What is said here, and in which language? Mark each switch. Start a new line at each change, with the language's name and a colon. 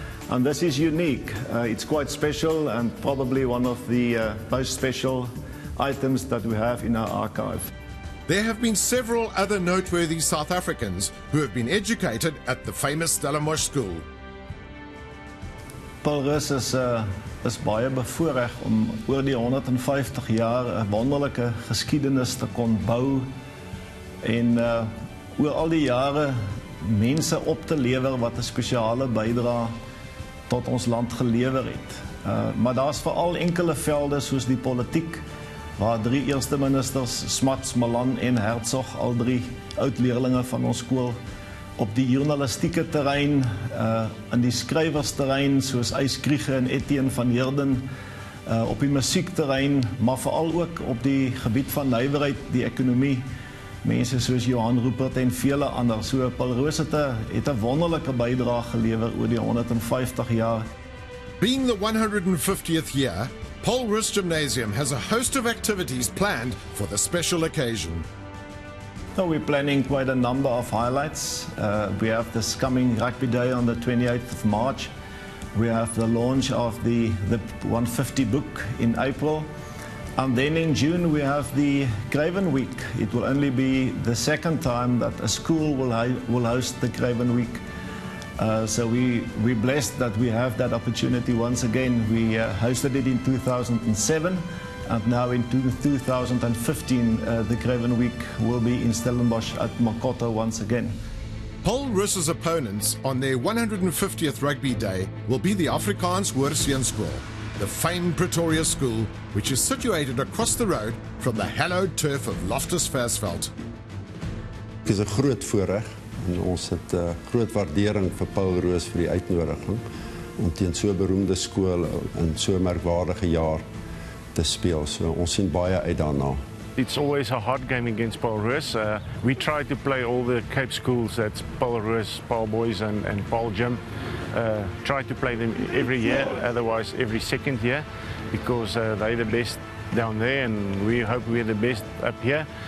English: And this is unique. It's quite special and probably one of the most special items that we have in our archive. There have been several other noteworthy South Africans who have been educated at the famous Stellenbosch school.
Afrikaans: Paul Roos is baie bevoorreg om oor die 150 jaar 'n wonderlike geskiedenis te kon bou. En oor al die jare mense op te lewer wat 'n spesiale bydra tot ons land gelewer het. Maar daar's veral enkele velde soos die politiek, waar drie eerste ministers, Smuts, Malan en Herzog, al drie oud-leerlinge van ons skool, op die journalistieke terrein, in die skrywersterrein soos Eyskriege en Etienne van Heerden, op die musiekterrein, maar veral ook op die gebied van nywerheid, die ekonomie, mense soos Johan Rupert en vele ander. So Paul Roos het 'n wonderlike bydrae gelewer oor die 150 jaar.
English: Being the 150th year, Paul Roos Gymnasium has a host of activities planned for the special occasion. So we're planning quite a number of highlights. We have this coming rugby day on the 28th of March. We have the launch of the 150 book in April. And then in June we have the Craven Week. It will only be the second time that a school will host the Craven Week. So we're blessed that we have that opportunity once again. We hosted it in 2007, and now in 2015 the Craven Week will be in Stellenbosch at Markotter once again. Paul Roos's opponents on their 150th rugby day will be the Afrikaanse Hoër Seunskool, the famed Pretoria school, which is situated across the road from the hallowed turf of Loftus-Versfeld.
Afrikaans: Dit is 'n groot voorreg en ons het 'n groot waardering vir Paul Roos vir die uitnodiging om teen so 'n beroemde skool in so 'n merkwaardige jaar te speel. So ons sien baie uit daarna.
English: It's always a hard game against Paul Roos. We try to play all the Cape schools, that's Paul Roos, Paul Boys and Paul Gym. Try to play them every year, otherwise every second year, because they're the best down there and we hope we're the best up here.